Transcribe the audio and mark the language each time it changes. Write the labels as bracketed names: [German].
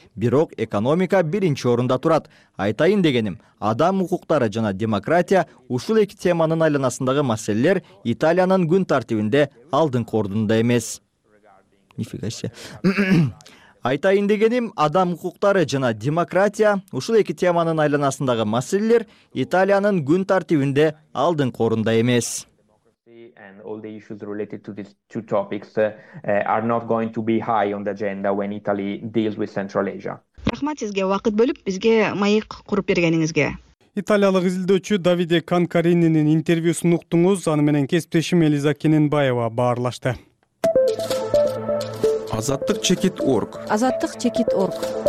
[Kyrgyz] Бирок экономика биринчи орунда турат. Айтайын дегеним, адам укуктары жана демократия ушул эки теманын айланасындагы маселелер Италиянын күн тартибинде алдыңкы ордунда эмес. Айтайын дегеним, адам укуктары жана демократия ушул эки теманын айланасындагы маселелер Италиянын күн тартибинде алдыңкы орунда эмес. [English] All the issues related to these two topics are not going to be high on the agenda when Italy deals with Central Asia. [Kyrgyz] Рахмат сизге вакыт бөлүп, бизге маек куруп бергениңизге. Италиялык изилдөөчү Давиде Канкарининин интервьюсун уктуңуз, аны менен кесиптешим Элиза Кененбаева баарлашты. Азаттык чекит орг. Азаттык чекит орг.